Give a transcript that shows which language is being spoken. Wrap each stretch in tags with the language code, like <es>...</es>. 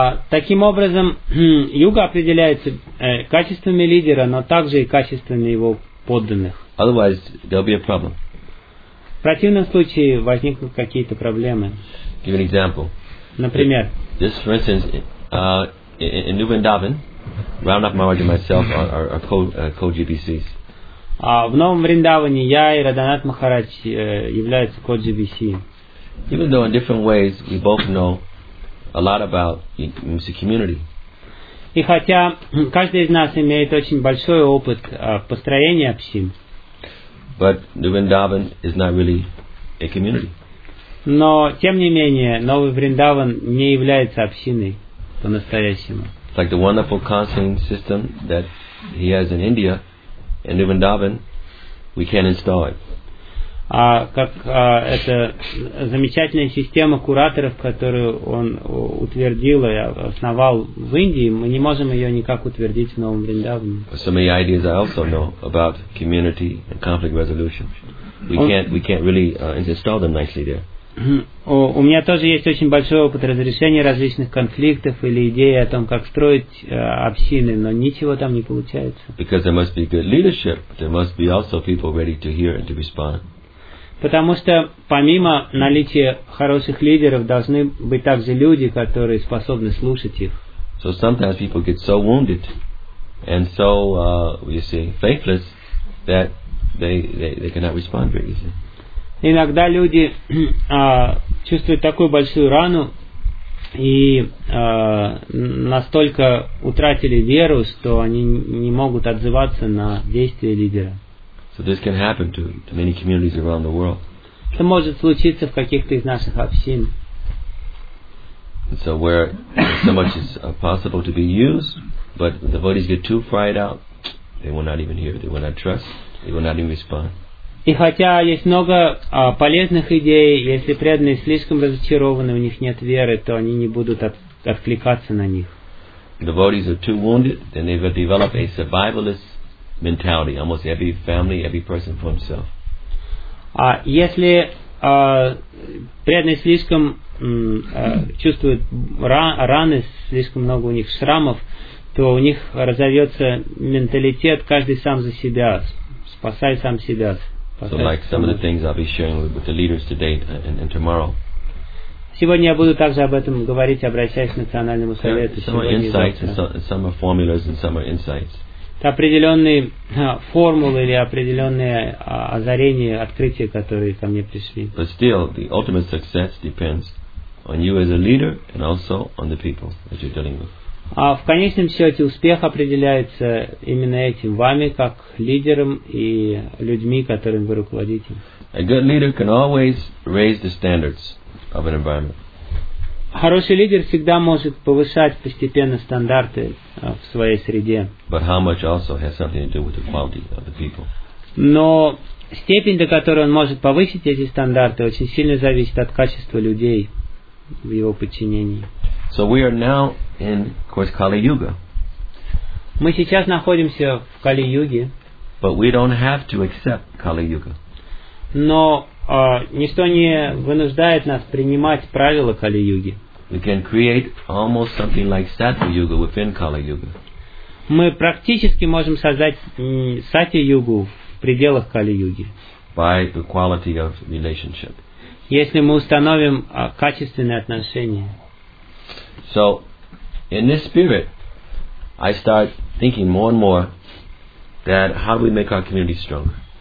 <ru>Таким образом, юга определяется качествами лидера, но также и качествами его подданных.</ru> <en>Otherwise, there'll be a problem.</en> <ru>В противном случае возникнут какие-то проблемы.</ru> <en>Give an example.</en> <ru>Например.</ru> <en>This, for instance, in New Vrindavan, Raghunath Maharaj and myself are co-GBCs.</en> <ru>В Новом Вриндаване я и Раданат Махарадж являются co-GBC.</ru> <en>Even though in different ways we both know a lot about the community.</en> <ru>И хотя каждый из нас имеет очень большой опыт построения общин.</ru> <en>But New Vrindavan is not really a community.</en> <ru>Но, тем не менее, Новый Вриндаван не является общиной по-настоящему.</ru> <en>It's like the wonderful counseling system that he has in India. In New Vrindavan, we can't install it.</en> <ru>Это замечательная система кураторов, которую он утвердил и основал в Индии, мы не можем ее никак утвердить в Новом Вриндаване.</ru> <en>So many ideas I also know about community and conflict resolution. We can't really install them nicely there.</en> <ru>У меня тоже есть очень большой опыт разрешения различных конфликтов или идеи о том, как строить общины, но ничего там не получается.</ru> <en>Because there must be good leadership, there must be also people ready to hear and to respond.</en> <ru>Потому что помимо наличия хороших лидеров, должны быть также люди, которые способны слушать их.</ru> <en>So sometimes people get so wounded and so, you see, faithless that they cannot respond very easily.</en> <ru>Иногда люди чувствуют такую большую рану и настолько утратили веру, что они не могут отзываться на действия лидера.</ru> <en>So this can happen to many communities around the world.</en> <ru>Это может случиться в каких-то из наших общин.</ru> <en>So where so much is possible to be used, but the devotees get too fried out, they will not even hear, they will not trust, they will not even respond.</en> <ru>И хотя есть много полезных идей, если преданные слишком разочарованы, у них нет веры, то они не будут откликаться на них.</ru> <en>Devotees are too wounded, then they will develop a survivalist mentality, almost every family, every person for himself.</en> <ru>А если преданные слишком чувствуют раны, слишком много у них шрамов, то у них разовьется менталитет каждый сам за себя, спасай сам себя.</ru> <en>So like some of the things I'll be sharing with the leaders today and tomorrow.</en> <ru>Сегодня я буду также об этом говорить, обращаясь к национальному совету.</ru> <en>Some are insights and some are formulas and some are insights.</en> <ru>Это определенные формулы или определенные озарения, открытия, которые ко мне пришли.</ru> <en>But still, the ultimate success depends on you as a leader and also on the people that you're dealing with.</en> <ru>А в конечном счете успех определяется именно этим, вами как лидером и людьми, которыми вы руководите.</ru> <en>A good leader can always raise the standards of an environment.</en> <ru>Хороший лидер всегда может повышать постепенно стандарты в своей среде.</ru> <en>But how much also has something to do with the quality of the people?</en> <ru>Но степень, до которой он может повысить эти стандарты, очень сильно зависит от качества людей в его подчинении.</ru> <en>So we are now in, of course, Kali Yuga.</en> <ru>Мы сейчас находимся в Кали-юге.</ru> <en>But we don't have to accept Kali Yuga.</en> <ru>Но ничто не вынуждает нас принимать правила Кали-юги.</ru> <en>We can create almost something like Satya-юга within Kali-юга.</en> <ru>Мы практически можем создать Сатья-югу в пределах Кали-юги.</ru> <en>By the quality of relationship.</en> <ru>Если мы установим качественные отношения.</ru> <en>So, in this spirit, I start thinking more and more that how do we make our community stronger?</en>